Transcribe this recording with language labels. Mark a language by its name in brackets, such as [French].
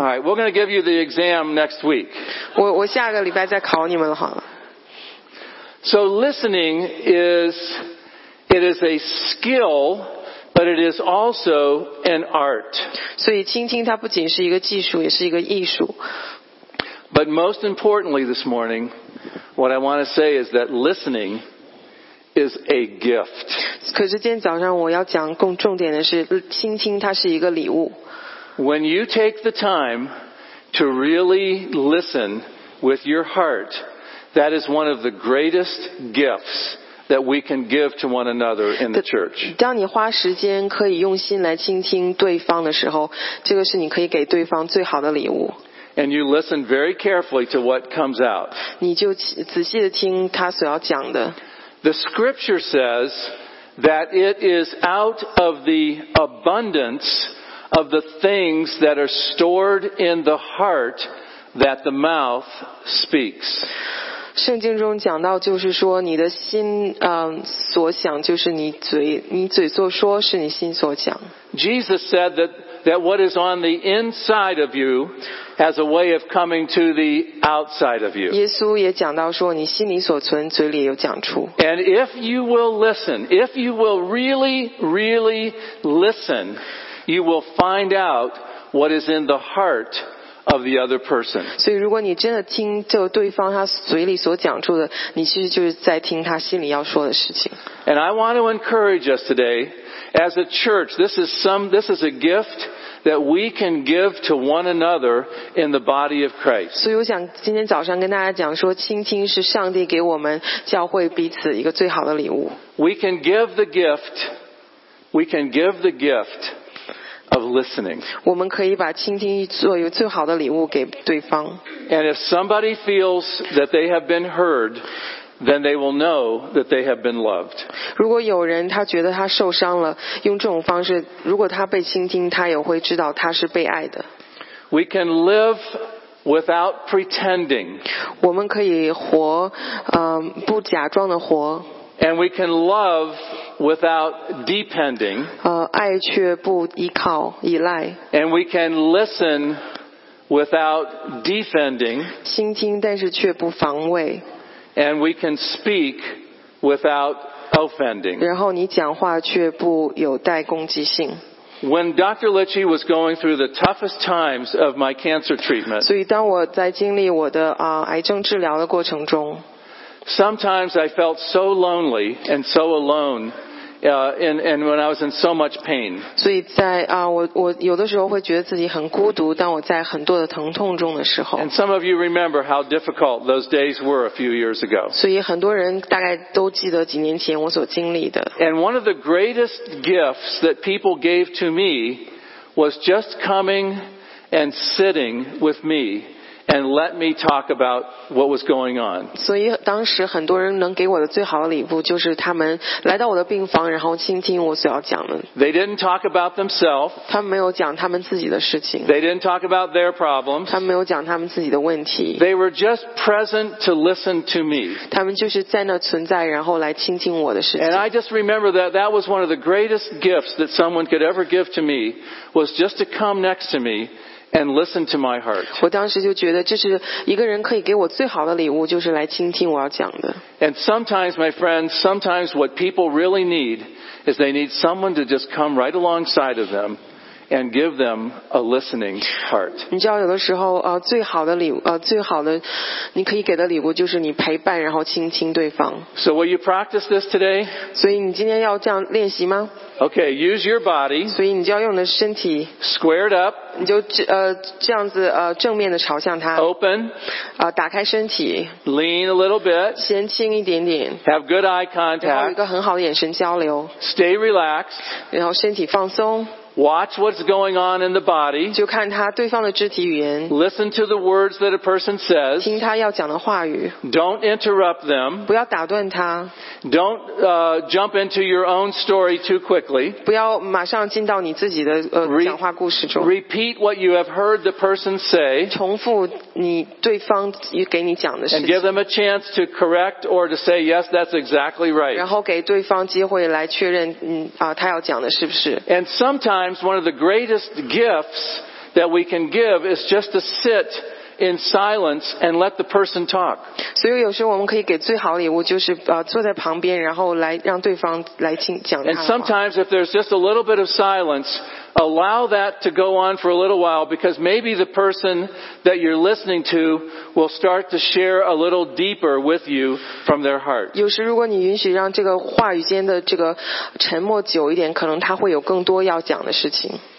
[English] All right, we're going to give you the exam next week. [Chinese] 我下个礼拜再考你们了，好了。 [English] So listening is, it is a skill, but it is also an art. [Chinese] 所以倾听它不仅是一个技术，也是一个艺术。 [English] But most importantly this morning, what I want to say is that listening is a gift. [Chinese] 可是今天早上我要讲更重点的是，倾听它是一个礼物。 [English] When you take the time to really listen with your heart, that is one of the greatest gifts that we can give to one another in the church. [Chinese] 当你花时间可以用心来倾听对方的时候，这个是你可以给对方最好的礼物。 [English] And you listen very carefully to what comes out. [Chinese] 你就仔细地听他所要讲的。 [English] The scripture says that it is out of the abundance of the things that are stored in the heart that the mouth speaks. [Chinese] 圣经中讲到就是说你的心所想就是你嘴所说是你心所讲。 [English] Jesus said that what is on the inside of you has a way of coming to the outside of you. [Chinese] 耶稣也讲到说你心里所存嘴里也有讲出。 [English] And if you will listen, if you will really, really listen, you will find out what is in the heart of the other person. [Chinese] 所以如果你真的听就对方他嘴里所讲出的，你其实就是在听他心里要说的事情。 [English] And I want to encourage us today, as a church, this is a gift that we can give to one another in the body of Christ. [Chinese] 所以我想今天早上跟大家讲说，倾听是上帝给我们教会彼此一个最好的礼物。 [English] We can give the gift. We can give the gift. Of listening. [Chinese] 我们可以把倾听作为最好的礼物给对方。 [English] And if somebody feels that they have been heard, then they will know that they have been loved. [Chinese] 如果有人他觉得他受伤了，用这种方式，如果他被倾听，他也会知道他是被爱的。 [English] We can live without pretending. [Chinese] 我们可以活，不假装的活。 [English] And we can love without depending. [Chinese] 爱却不依靠依赖。 [English] And we can listen without defending. [Chinese] 倾听但是却不防卫。 [English] And we can speak without offending. [Chinese] 然后你讲话却不有带攻击性。 [English] When Dr. Litchi was going through the toughest times of my cancer treatment. [Chinese] 所以当我在经历我的癌症治疗的过程中。 [English] Sometimes I felt so lonely and so alone, and when I was in so much pain. [Chinese] 所以在我有的时候会觉得自己很孤独，当我在很多的疼痛中的时候。 [English] And some of you remember how difficult those days were a few years ago. [Chinese] 所以很多人大概都记得几年前我所经历的。 [English] And one of the greatest gifts that people gave to me was just coming and sitting with me. And let me talk about what was going on. [Chinese] 所以当时很多人能给我的最好的礼物就是他们来到我的病房，然后倾听我所要讲的。 [English] They didn't talk about themselves. [Chinese] 他们没有讲他们自己的事情。 [English] They didn't talk about their problems. [Chinese] 他们没有讲他们自己的问题。 [English] They were just present to listen to me. [Chinese] 他们就是在那存在，然后来倾听我的事情。 [English] And I just remember that was one of the greatest gifts that someone could ever give to me was just to come next to me. And listen to my heart. [Chinese] 我当时就觉得这是一个人可以给我最好的礼物，就是来倾听我要讲的。 [English] And sometimes, my friends, sometimes what people really need is they need someone to just come right alongside of them and give them a listening heart. [Chinese] 你知道有的时候最好的礼物最好的你可以给的礼物就是你陪伴然后倾听对方。 [English] So will you practice this today? [Chinese] 所以你今天要这样练习吗？ [English] Okay, use your body. [Chinese] 所以你就要用你的身体。 [English] Squared up. [Chinese] 你就这样子正面的朝向他。 [English] Open. [Chinese] 打开身体。 [English] Lean a little bit. [Chinese] 先轻一点点。 [English] Have good eye contact. [Chinese] 然后一个很好的眼神交流。 [English] Stay relaxed. [Chinese] 然后身体放松。 [English] Watch what's going on in the body. [Chinese] 就看他对方的肢体语言。 [English] Listen to the words that a person says. [Chinese] 听他要讲的话语。 [English] Don't interrupt them. [Chinese] 不要打断他。 [English] Don't jump into your own story too quickly. [Chinese] 不要马上进到你自己的讲话故事中。 [English] Repeat what you have heard the person say. [Chinese] 重复你对方给你讲的事情。 [English] And give them a chance to correct or to say yes, that's exactly right. [Chinese] 然后给对方机会来确认他要讲的是不是。 [English] And sometimes one of the greatest gifts that we can give is just to sit in silence and let the person talk. [Chinese] 所以有时候我们可以给最好的礼物就是坐在旁边然后来让对方来听讲他的话。 [English] And sometimes if there's just a little bit of silence, allow that to go on for a little while because maybe the person that you're listening to will start to share a little deeper with you from their heart. [Chinese] 有时如果你允许让这个话语间的这个沉默久一点可能他会有更多要讲的事情。